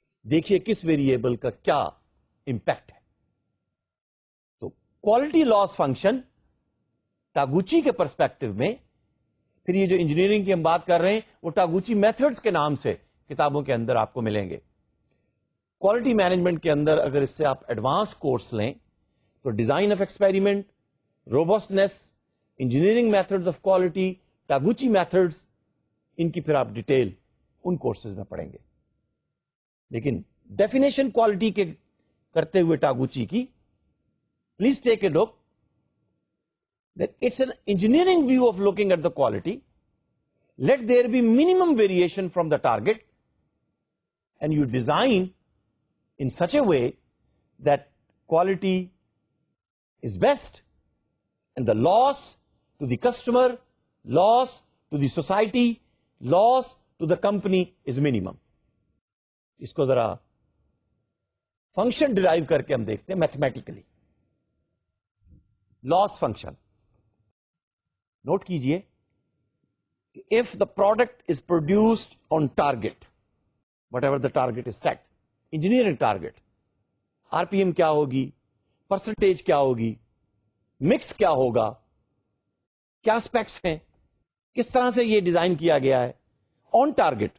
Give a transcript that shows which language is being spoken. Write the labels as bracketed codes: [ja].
[ur] دیکھیے کس ویریبل کا کیا امپیکٹ ہے تو کوالٹی لاس فنکشن ٹاگوچی کے پرسپیکٹو میں پھر یہ جو انجینئرنگ کی ہم بات کر رہے ہیں وہ ٹاگوچی میتھڈز کے نام سے کتابوں کے اندر آپ کو ملیں گے کوالٹی مینجمنٹ کے اندر اگر اس سے آپ ایڈوانس کورس لیں design of experiment روبسٹنیس engineering method of quality ٹاگوچی method in کی پھر آپ ڈیٹیل ان کورسز میں پڑھیں گے لیکن ڈیفینیشن کوالٹی کے کرتے ہوئے ٹاگوچی کی [en] Please take a look that it's an engineering view of looking at the quality let there be minimum variation from the target and you design in such a way that quality is best and the loss to the customer loss to the society loss to the company is minimum. [ur] اس کو ذرا function drive کر کے ہم دیکھتے ہیں mathematically. لاس function note کیجئے, [en] if the product is produced on target whatever the target is set engineering target, [ur] R P M کیا ہوگی, پرسنٹیج کیا ہوگی, مکس کیا ہوگا, کیا اسپیکس ہیں, کس طرح سے یہ ڈیزائن کیا گیا ہے آن ٹارگیٹ.